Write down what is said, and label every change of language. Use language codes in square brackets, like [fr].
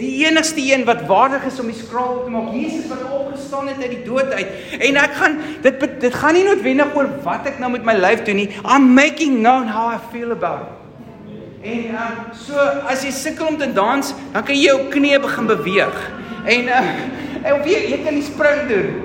[af] Die enigste een wat waardig is om die skraal te maak. Jesus wat opgestaan het uit die dood uit. En ek gaan, dit gaan nie noodwendig oor wat ek nou met my lyf doen nie. [en] I'm making known how I feel about it. [af] En so, as jy sukkel om te dans, dan kan jy jou knie begin beweeg. En of jy kan nie spring doen.